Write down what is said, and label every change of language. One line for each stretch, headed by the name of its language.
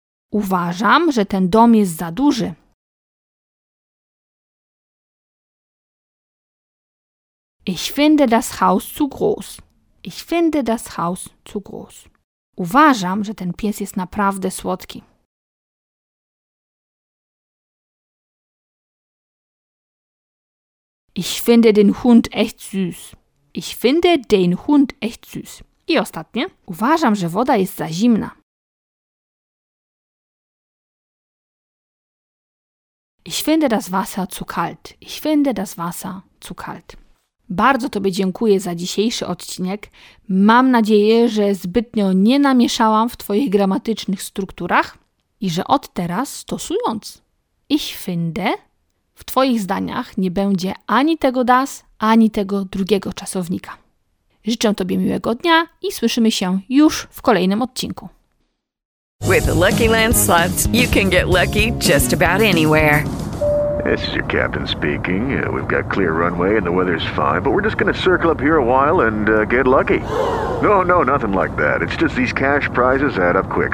Polish: Uważam, że ten dom jest za duży.
German: Ich finde das Haus zu groß. Ich finde das Haus zu groß.
Polish: Uważam, że ten pies jest naprawdę słodki.
German: Ich finde den Hund echt süß. Ich finde den Hund echt süß.
Polish: I ostatnie. Uważam, że woda jest za zimna.
German: Ich finde das Wasser zu kalt. Ich finde das Wasser zu kalt.
Polish: Bardzo Tobie dziękuję za dzisiejszy odcinek. Mam nadzieję, że zbytnio nie namieszałam w Twoich gramatycznych strukturach i że od teraz stosując
German: ich finde,
Polish: w Twoich zdaniach nie będzie ani tego das, ani tego drugiego czasownika. Życzę Tobie miłego dnia i słyszymy się już w kolejnym odcinku.
English: With the Lucky Land Slots, you can get lucky just about anywhere. This is your captain speaking. We've got clear runway and the weather's fine, but we're just going to circle up here a while and get lucky. No, nothing like that. It's just these cash prizes add up quick.